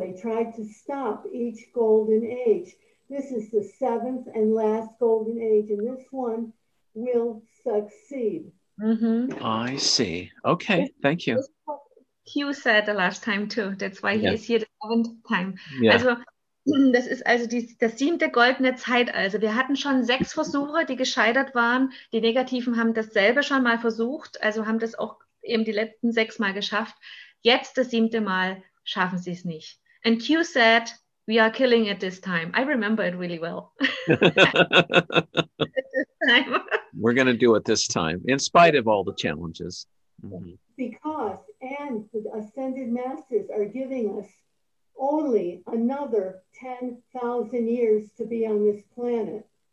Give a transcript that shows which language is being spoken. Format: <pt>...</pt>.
<en>They tried to stop each golden age. This is the seventh and last golden age, and this one will succeed. Mm-hmm. I see. Okay, thank you. Hugh said the last time too. That's why he is here the seventh time. Yeah.</en> <de>Also Das ist also das siebte goldene Zeitalter. Wir hatten schon sechs Versuche, die gescheitert waren. Die Negativen haben dasselbe schon mal versucht, also haben das auch eben die letzten sechs Mal geschafft. Jetzt das siebte Mal schaffen sie es nicht.</de> <en>And Q said, we are killing it this time. I remember it really well. We're going to do it this time, in spite of all the challenges. Mm-hmm. Because and the ascended masters are giving us only another 10,000 years to be on this planet.</en>